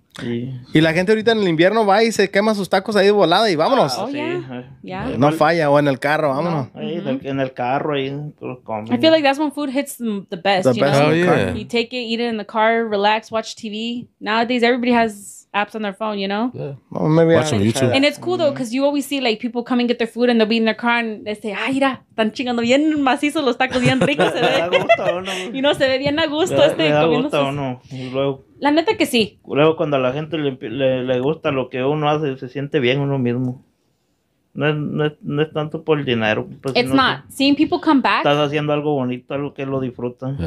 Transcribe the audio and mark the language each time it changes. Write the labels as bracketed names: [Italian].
[Spanish] Sí. Y la gente ahorita en el invierno va y se quema sus tacos ahí de volada y vámonos. No falla, o en el carro, vámonos. En el carro ahí los comen. [English] I feel like that's when food hits the best. The best, you know? Oh, yeah. You take it, eat it in the car, relax, watch TV. Nowadays, everybody has apps on their phone, you know? Yeah. Well, maybe watch some YouTube. And it's cool, though, because you always see, like, people come and get their food and they'll be in their car and they say, [Spanish] ay, mira, están chingando bien macizo los tacos, bien ricos se ve. [English] You know, [Spanish] se ve bien a gusto este. Me da gusto o no. La neta que sí. Luego, cuando a la gente le gusta lo que uno hace, se siente bien uno mismo. No es tanto por el dinero. Pues, [English] it's not. Seeing people come back. [Spanish] Estás haciendo algo bonito, algo que lo disfrutan.